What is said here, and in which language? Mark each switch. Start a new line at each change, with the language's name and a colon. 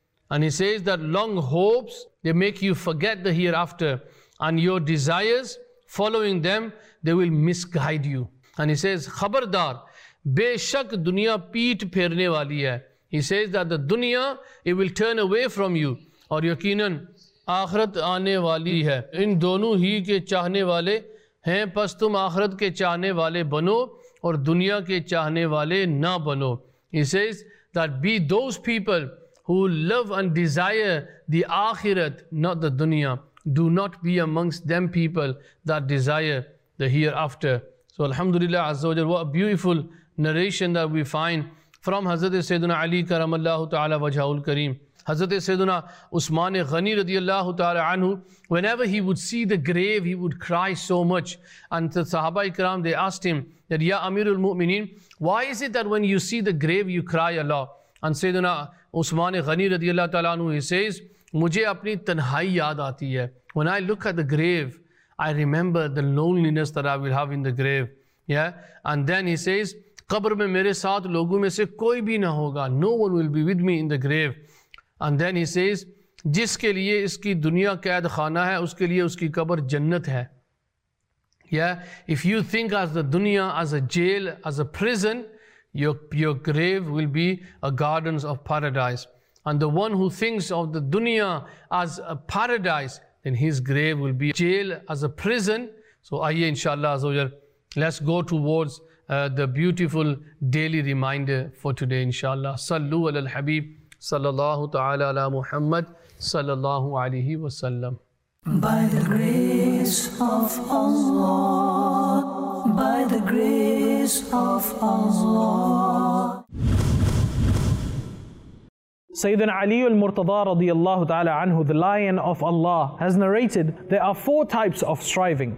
English: And he says that long hopes, they make you forget the hereafter. And your desires, following them, they will misguide you. And he says,
Urdu: Khabardar, beshak dunya peet pherne wali hai.
English: He says that the dunya, it will turn away from you.
Urdu: Aur yakinan, آخرت آنے والی ہے ان دونوں ہی کے چاہنے والے ہیں پس تم آخرت کے چاہنے والے بنو اور دنیا کے چاہنے والے نہ بنو.
English: He says that be those people who love and desire the akhirat not the dunya. Do not be amongst them people that desire the hereafter. So alhamdulillah azzawajal, what a beautiful narration that we find from Hazrat Sayyidina Ali کرم اللہ تعالی وجہہ الکریم. Hazrat Sayyidina Usman Ghani radiallahu ta'ala anhu, whenever he would see the grave, he would cry so much. And the Sahaba Ikram, they asked him that, Ya Amirul Mu'mineen, why is it that when you see the grave, you cry a lot?
Urdu: And Sayyidina Usman Ghani radiallahu ta'ala anhu,
English: he says,
Urdu: Mujhe apni tanhai yaad aati hai.
English: When I look at the grave, I remember the loneliness that I will have in the grave. Yeah. And then he says,
Urdu: Qabr mein mere saath logon mein se koi bhi na hoga.
English: No one will be with me in the grave. And then he says,
Urdu: جس کے لیے اس کی دنیا قید خانہ ہے اس کے لیے اس کی قبر جنت ہے.
English: Yeah, if you think as the dunya, as a jail, as a prison, your grave will be a gardens of paradise. And the one who thinks of the dunya as a paradise, then his grave will be jail, as a prison. So آئیے انشاءاللہ عزوجل, let's go towards the beautiful daily reminder for today انشاءاللہ.
Arabic: صلو علی الحبیب صلی اللہ تعالی علی محمد صلی اللہ علیہ وسلم.
English: By the grace of Allah, by the grace of Allah. سیدنا علی المرتضی رضی اللہ تعالی عنہ, the lion of Allah, has narrated, there are four types of striving.